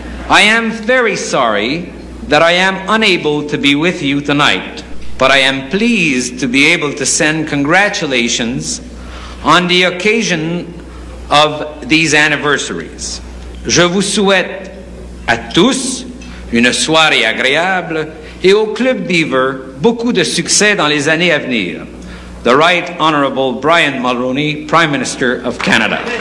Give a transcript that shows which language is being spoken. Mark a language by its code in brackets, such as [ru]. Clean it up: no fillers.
[en] I am very sorry that I am unable to be with you tonight, but I am pleased to be able to send congratulations on the occasion of these anniversaries. [fr] Je vous souhaite à tous une soirée agréable et au Club Beaver beaucoup de succès dans les années à venir. [en] The Right Honorable Brian Mulroney, Prime Minister of Canada.